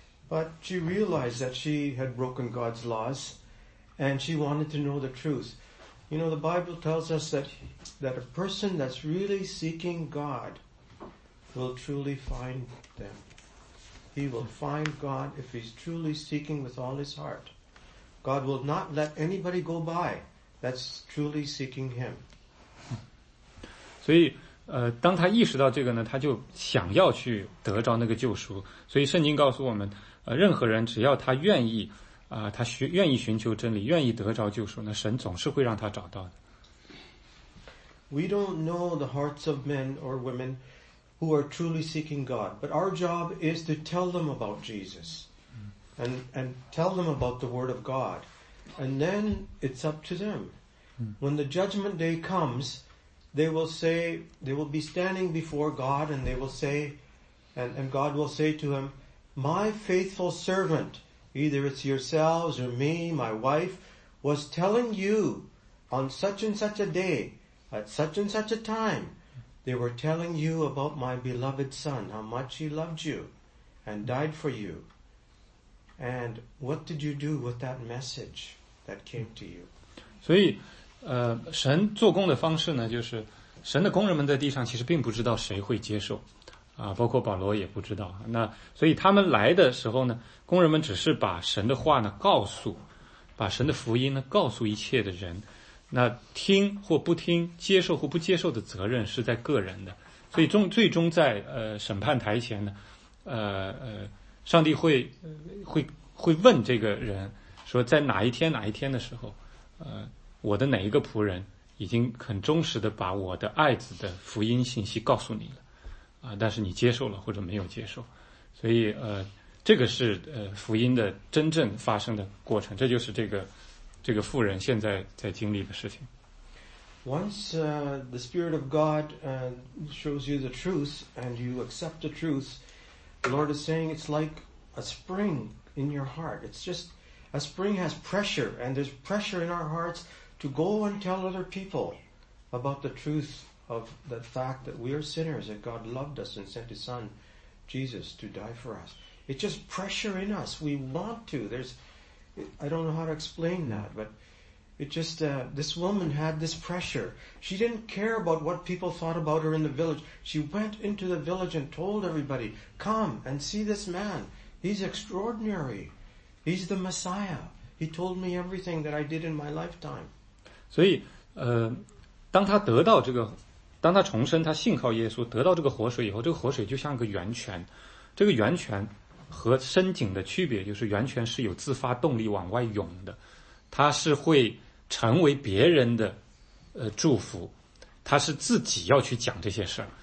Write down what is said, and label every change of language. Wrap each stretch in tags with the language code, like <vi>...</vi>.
<en>But she realized that she had broken God's laws, and she wanted to know the truth. You know, the Bible tells us that a person that's really seeking God will truly find them. He will find God if he's truly seeking with all his heart. God will not let anybody go by that's truly seeking him.</en> <zh>所以当他意识到这个呢，他就想要去得着那个救赎。所以圣经告诉我们，任何人只要他愿意他愿意寻求真理，愿意得着救赎，那神总是会让他找到的。</zh> <en>We don't know the hearts of men or women who are truly seeking God, but our job is to tell them about Jesus and tell them about the Word of God. And then it's up to them. When the judgment day comes, they will be standing before God and they will say, and God will say to him,My faithful servant, either it's yourselves or me, my wife, was telling you on such and such a day, at such and such a time, they were telling you about my beloved son, how much he loved you and died for you. And what did you do with that message that came to you?</en> <zh>所以神做工的方式呢，就是神的工人们在地上其实并不知道谁会接受。包括保罗也不知道。那所以他们来的时候呢，工人们只是把神的话呢告诉，把神的福音呢告诉一切的人。那听或不听，接受或不接受的责任是在个人的。所以最终在审判台前呢，上帝会问这个人说，在哪一天的时候，我的哪一个仆人已经很忠实的把我的爱子的福音信息告诉你了。但是你接受了或者没有接受，所以这个是福音的真正发生的过程，这就是这个妇人现在经历的事情。</zh> <en>Once the Spirit of God shows you the truth and you accept the truth, the Lord is saying it's like a spring in your heart. It's just a spring has pressure, and there's pressure in our hearts to go and tell other people about the truth. Of the fact that we are sinners, that God loved us and sent His Son, Jesus, to die for us. It's just pressure in us. We want to. I don't know how to explain that, but it just, this woman had this pressure. She didn't care about what people thought about her in the village. She went into the village and told everybody, come and see this man. He's extraordinary. He's the Messiah. He told me everything that I did in my lifetime.</en> <zh>所以当他得到这个当他重生，他信靠耶稣，得到这个活水以后，这个活水就像个源泉。这个源泉和深井的区别就是，源泉是有自发动力往外涌的，它是会成为别人的祝福，它是自己要去讲这些事儿。</zh>